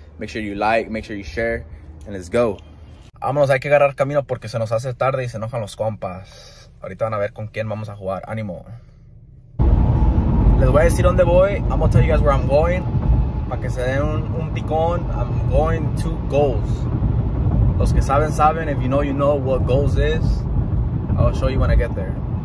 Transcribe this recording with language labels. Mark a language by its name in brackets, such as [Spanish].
[English] Make sure you like, make sure you share, and let's go. [Spanish] Vámonos, hay que agarrar camino porque se nos hace tarde y se enojan los compas. Ahorita van a ver con quién vamos a jugar. Ánimo. Les voy a decir dónde voy. [English] I'm gonna tell you guys where I'm going. [Spanish] Para que se den un picón. [English] I'm going to Goals. [Spanish] Los que saben, saben. [English] If you know what Goals is, I'll show you when I get there.